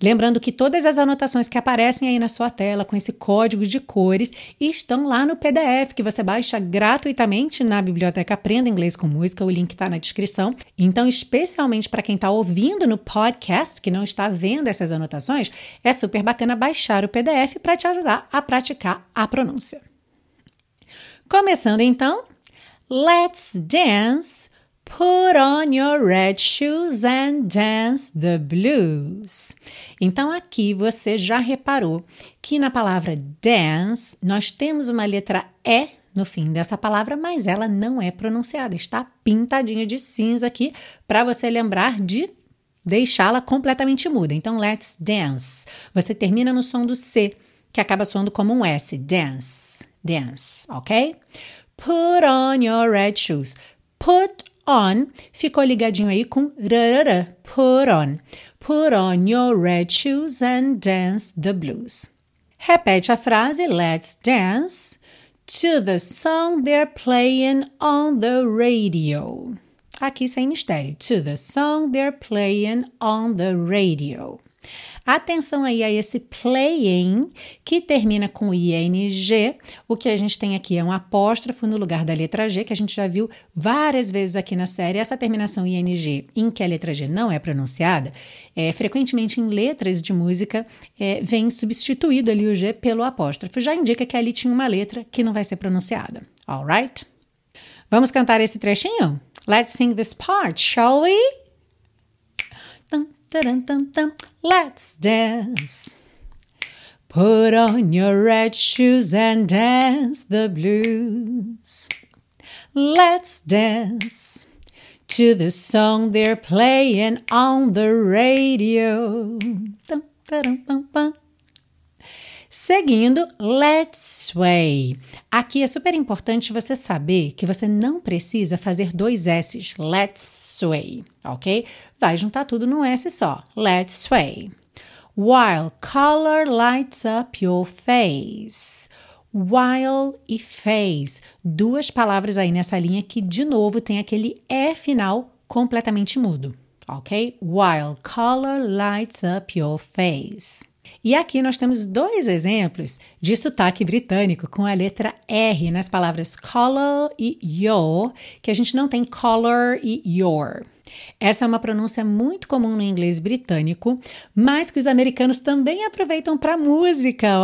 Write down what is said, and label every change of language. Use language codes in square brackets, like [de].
[pt] Lembrando que todas as anotações que aparecem aí na sua tela com esse código de cores estão lá no PDF que você baixa gratuitamente na Biblioteca Aprenda Inglês com Música, o link está na descrição. Então, especialmente para quem está ouvindo no podcast, que não está vendo essas anotações, é super bacana baixar o PDF para te ajudar a praticar a pronúncia. Começando então, [en] Let's dance, put on your red shoes and dance the blues. [pt] Então, aqui você já reparou que na palavra dance, nós temos uma letra E no fim dessa palavra, mas ela não é pronunciada, está pintadinha de cinza aqui para você lembrar de deixá-la completamente muda. Então, let's dance. Você termina no som do C, que acaba soando como um S, dance, dance, ok? [en] Put on your red shoes. Put on [pt] ficou ligadinho aí com rrr. [en] Put on. Put on your red shoes and dance the blues. [pt] Repete a frase, [en] let's dance to the song they're playing on the radio. [pt] Aqui sem mistério. [en] To the song they're playing on the radio. [pt] Atenção aí a esse playing que termina com ing. O que a gente tem aqui é um apóstrofo no lugar da letra G, que a gente já viu várias vezes aqui na série. Essa terminação ing, em que a letra G não é pronunciada, frequentemente em letras de música, vem substituído ali o G pelo apóstrofo. Já indica que ali tinha uma letra que não vai ser pronunciada. [en] All right? [pt] Vamos cantar esse trechinho? [en] Let's sing this part, shall we? Dun-dun-dun-dun. Let's dance. Put on your red shoes and dance the blues. Let's dance to the song they're playing on the radio. Dun-dun-dun-dun. [pt] Seguindo, [en] let's sway. [pt] Aqui é super importante você saber que você não precisa fazer dois S's. [en] Let's sway, [pt] ok? Vai juntar tudo num S só. Let's sway. [en] While color lights up your face. While e face. [pt] Duas palavras aí nessa linha que, de novo, tem aquele E final completamente mudo, ok? [en] While color lights up your face. [pt] E aqui nós temos dois exemplos de sotaque britânico com a letra R nas palavras color e your, que a gente não tem color e your. Essa é uma pronúncia muito comum no inglês britânico, mas que os americanos também aproveitam para música.